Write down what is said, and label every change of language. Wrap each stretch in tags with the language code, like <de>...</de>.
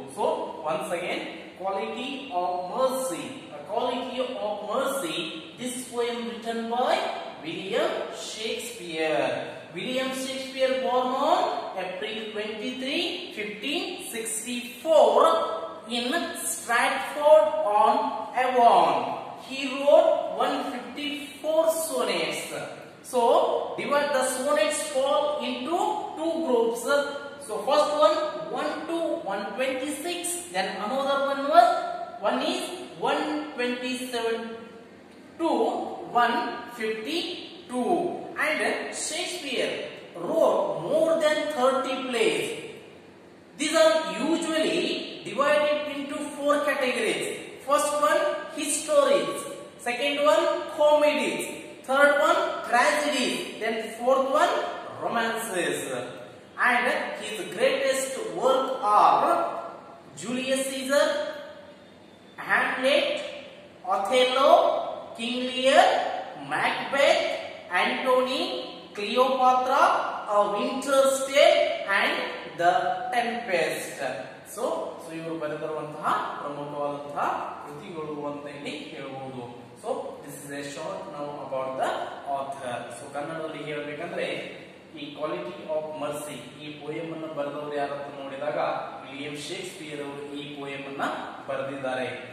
<en>So once again quality of mercy, quality of mercy, this poem written by William Shakespeare. William Shakespeare born on April 23, 1564 in Stratford on Avon. He wrote 154 sonnets. So divide the sonnets fall into two groups. So first one 1 to 126, then another one was 127 to 152, and Shakespeare wrote more than 30 plays. These are usually divided into four categories. First one, histories. Second one, comedies. Third one, tragedy. Then fourth one, romances. And his greatest work are Julius Caesar, Hamlet, Othello, King Lear, Macbeth, Antony, Cleopatra, A Winter's Tale, and The Tempest.</en> <kn>So, ಇವರು ಬರೆದಿರುವಂತಹ ಪ್ರಮುಖವಾದಂತಹ ಕೃತಿಗಳು ಅಂತ ಇಲ್ಲಿ ಹೇಳಬಹುದು.</kn> <en>So this is a short note about the author.</en> <kn>So ಕನ್ನಡದಲ್ಲಿ ಹೇಳಬೇಕಂದ್ರೆ ಈ ಕ್ವಾಲಿಟಿ ಆಫ್ ಮರ್ಸಿ, ಈ ಪೋಯಮ್ ಅನ್ನು ಬರೆದವರು ಯಾರಂತ ನೋಡಿದಾಗ ವಿಲಿಯಂ ಶೇಕ್ಸ್ಪಿಯರ್ ಅವರು ಈ ಪೋಯಮ್ ಅನ್ನ ಬರೆದಿದ್ದಾರೆ.</kn>